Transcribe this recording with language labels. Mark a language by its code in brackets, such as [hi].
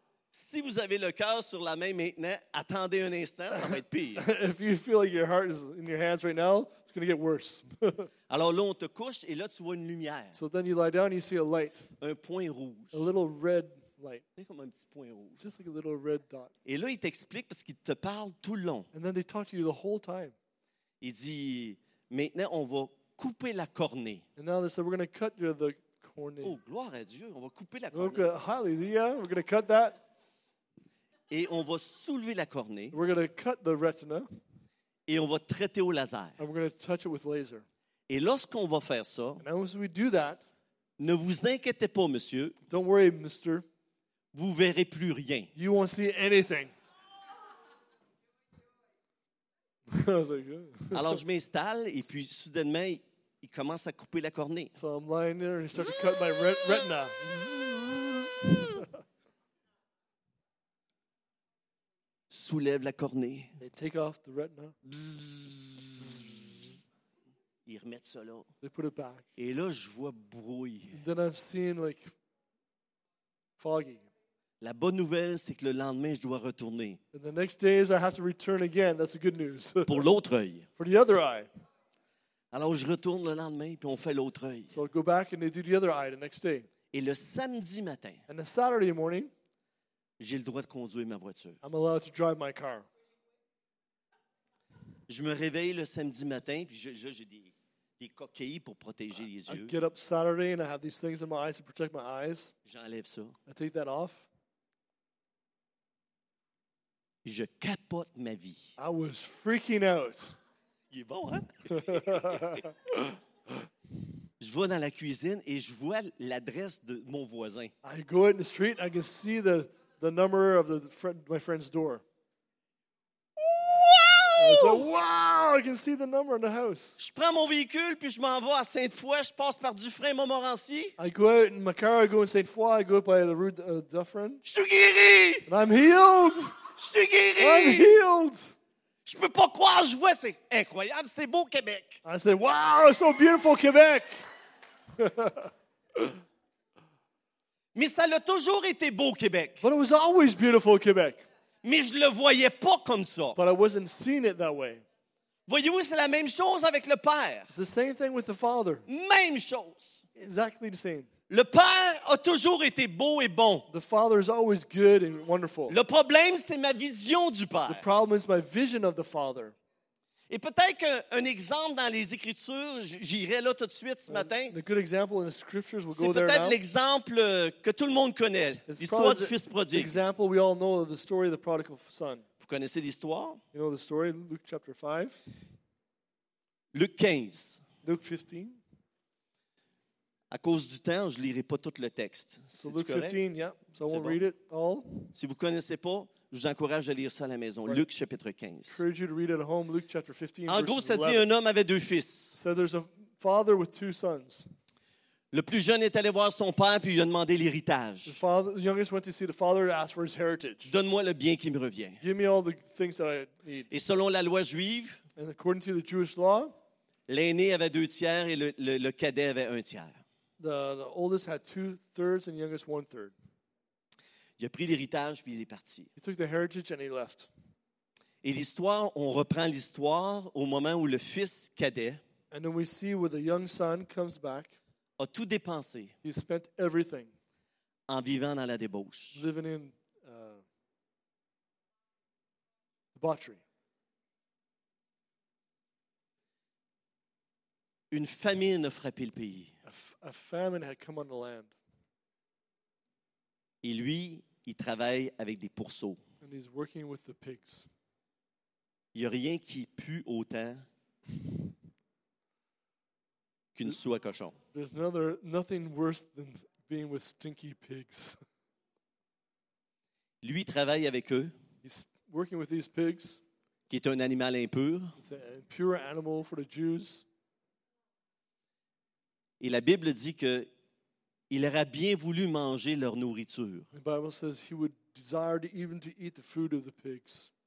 [fr] si vous avez le cœur sur la main maintenant, attendez un instant, ça va être pire. [en] If you feel like your heart is in your hands right now, it's going to get worse. [fr] Alors là, on te couche et là, tu vois une lumière. [en] So then you lie down and you see a light. [fr] Un point rouge. [en] A little red light. [fr] C'est comme un petit point rouge. [en] Just like a little red dot. [fr] Et là, il t'explique parce qu'il te parle tout le long. [en] And then they talk to you the whole time. [fr] Il dit, maintenant, on va couper la cornée. [en] And now they said, we're going to cut the cornée. [fr] Oh, gloire à Dieu, on va couper la cornée. [en] Hallelujah, we're going to cut that. [fr] Et on va soulever la cornée. [en] We're going to cut the retina. [fr] Et on va traiter au laser. [en] And we're going to touch it with laser. [fr] Et lorsqu'on va faire ça, [en] and as we do that, [fr] ne vous inquiétez pas, monsieur. [en] Don't worry, mister. [fr] Vous verrez plus rien. [en] You won't see anything. [fr] Alors je m'installe et puis soudainement il commence à couper la cornée. [en] So I'm lying there and he starts to cut my retina. [fr] Soulève la cornée. [en] They take off the retina. [fr] Ils remettent ça là. [en] They put it back. [fr] Et là je vois brouille. [en] Then I'm seeing like foggy. [fr] La bonne nouvelle, c'est que le lendemain, je dois retourner. [en] And the next day is I have to return again. That's the good news. [fr] Pour l'autre œil. [en] For the other eye. [fr] Alors, je retourne le lendemain, puis on fait l'autre œil. [en] So I go back and they do the other eye the next day. [fr] Et le samedi matin. [en] And the Saturday morning. [fr] J'ai le droit de conduire ma voiture. [en] I'm allowed to drive my car. [fr] Je me réveille le samedi matin, puis j'ai des coquilles pour protéger les yeux. [en] I get up Saturday and I have these things in my eyes to protect my eyes. [fr] J'enlève ça. [en] I take that off. [fr] Je capote ma vie. [en] I was freaking out. [fr] Il est bon, hein? Je vais dans la cuisine et je vois l'adresse de mon voisin. [en] I go out in the street and I can see the the number of the friend, my friend's door. Wow! I said, wow, I can see the number in the house. [fr] Je prends mon véhicule, puis je m'en vais à Sainte-Foy, je passe par Dufresne-Montmorency. [en] I go out in my car, I go in Sainte-Foy, I go by the route of Dufresne. [fr] Je suis guéri! [en] And I'm healed! [fr] Je suis guéri! [en] I'm healed! [fr] Je peux pas croire, je vois, c'est incroyable, c'est beau Québec. [en] I said, wow, it's so beautiful Québec! [fr] Mais ça l'a toujours été beau, Québec. [en] But it was always beautiful, Québec. [fr] Mais je le voyais pas comme ça. [en] But I wasn't seeing it that way. [fr] Voyez-vous, c'est la même chose avec le Père. [en] It's the same thing with the Father. [fr] Même chose. [en] Exactly the same. [fr] Le Père a toujours été beau et bon. [en] The Father is always good and wonderful. [fr] Le problème, c'est ma vision du Père. [en] The problem is my vision of the Father. [fr] Et peut-être qu'un exemple dans les Écritures, j'irai là tout de suite ce matin. [en] A good example in the scriptures, we'll go there now. [fr] C'est peut-être l'exemple que tout le monde connaît, l'histoire du fils prodigue. [en] Example we all know, the story of the prodigal son. [fr] Vous connaissez l'histoire? [en] You know the story, Luke chapter 5. Luke 15. Luke 15. [fr] À cause du temps, je ne lirai pas tout le texte. [en] So Luke 15, yeah. So I won't read it all. [fr] Si vous ne connaissez pas, je vous encourage à lire ça à la maison. [en] Right. [fr] Luc, chapitre 15. [en] Encourage you to read at home, Luke chapter 15. [fr] En gros, ça dit 11. Un homme avait deux fils. [en] So there's a father with two sons. [fr] Le plus jeune est allé voir son père puis il a demandé l'héritage. [en] The youngest went to see the father and asked for his heritage. [fr] Donne-moi le bien qui me revient. [en] Give me all the things that I need. [fr] Et selon la loi juive, [en] and according to the Jewish law, [fr] l'aîné avait deux tiers et le cadet avait un tiers. [en] The oldest had two thirds and the youngest one third. [fr] Il a pris l'héritage, puis il est parti. [en] He took the heritage and he left. [fr] Et l'histoire, on reprend l'histoire au moment où le fils cadet [en] and then we see where the young son comes back, [fr] a tout dépensé [en] he spent everything, [fr] en vivant dans la débauche. [en] Living in, debauchery. [fr] Une famine a frappé le pays. [en] A famine had come on the land. [fr] Et lui, il travaille avec des pourceaux. [en] And he's working with the pigs. [fr] Il n'y a rien qui pue autant qu'une soie cochon. [en] There's nothing worse than being with stinky pigs. [fr] Lui travaille avec eux. [en] He's working with these pigs. [fr] Qui est un animal impur. [en] It's an impure animal for the Jews. [fr] Et la Bible dit que il aurait bien voulu manger leur nourriture. [en] The Bible says he would desire to even to eat the food of the pigs.